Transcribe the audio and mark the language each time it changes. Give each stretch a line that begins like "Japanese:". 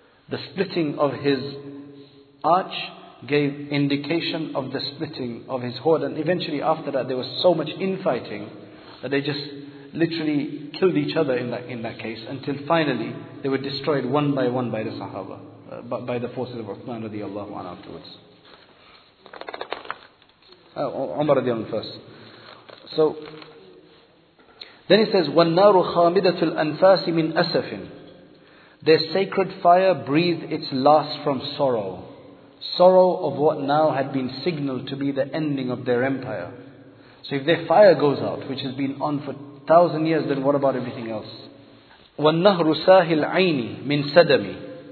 English: The splitting of his arch gave indication of the splitting of his hoard. And eventually after that there was so much infighting that they just literally killed each other in that case, until finally they were destroyed one by one by the Sahaba, by the forces of Uthman radiallahu anhu afterwards. Umar radiallahu anhu first. So then he says,
Arabic: وَالنَّارُ خَامِدَةُ الْأَنْفَاسِ مِنْ أَسَفٍ.
English: Their sacred fire breathed its last from sorrow. Sorrow of what now had been signaled to be the ending of their empire. So if their fire goes out, which has been on for 1,000 years, then what about everything else?
Arabic: وَالنَّهْرُ سَاهِ الْعَيْنِ مِنْ سَدَمِ.